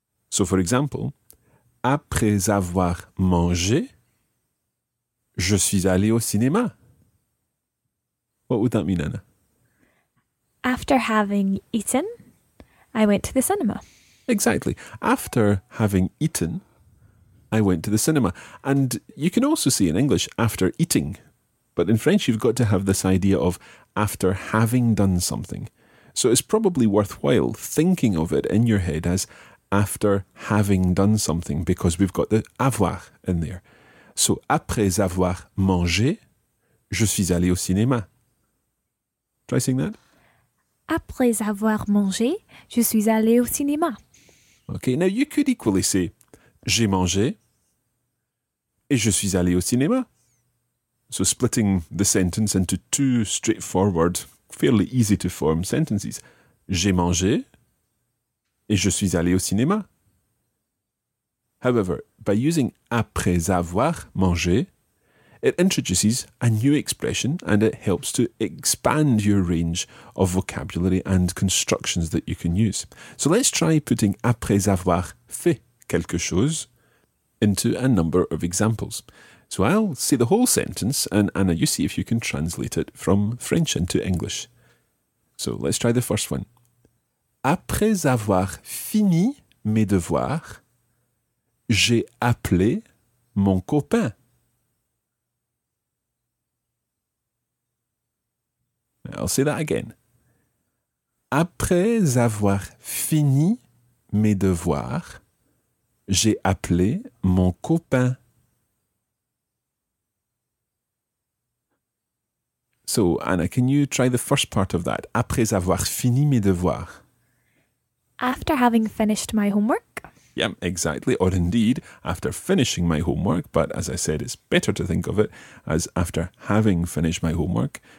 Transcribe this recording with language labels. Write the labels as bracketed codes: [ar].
[en] So for example, [fr] après avoir mangé, je suis allé au cinéma. [en] What would that mean, Anna? After having eaten, I went to the cinema. Exactly. After having eaten, I went to the cinema. And you can also say in English, after eating. But in French, you've got to have this idea of after having done something. So it's probably worthwhile thinking of it in your head as after having done something, because we've got the avoir in there. [fr] So après avoir mangé, je suis allé au cinéma. [en] Try saying that. [fr] Après avoir mangé, je suis allé au cinéma. [en] Okay, now you could equally say, [fr] j'ai mangé et je suis allé au cinéma. [en] So splitting the sentence into two straightforward, fairly easy to form sentences. [fr] J'ai mangé et je suis allé au cinéma. [en] However, by using [fr] après avoir mangé, [en] it introduces a new expression and it helps to expand your range of vocabulary and constructions that you can use. So let's try putting [fr] après avoir fait quelque chose [en] into a number of examples. So I'll say the whole sentence and Anna, you see if you can translate it from French into English. So let's try the first one. [fr] Après avoir fini mes devoirs, j'ai appelé mon copain. [en] I'll say that again. [fr] Après avoir fini mes devoirs, j'ai appelé mon copain. [en] So, Anna, can you try the first part of that? [fr] Après avoir fini mes devoirs. [en] After having finished my homework. Yeah, exactly. Or indeed, after finishing my homework. But as I said, it's better to think of it as after having finished my homework.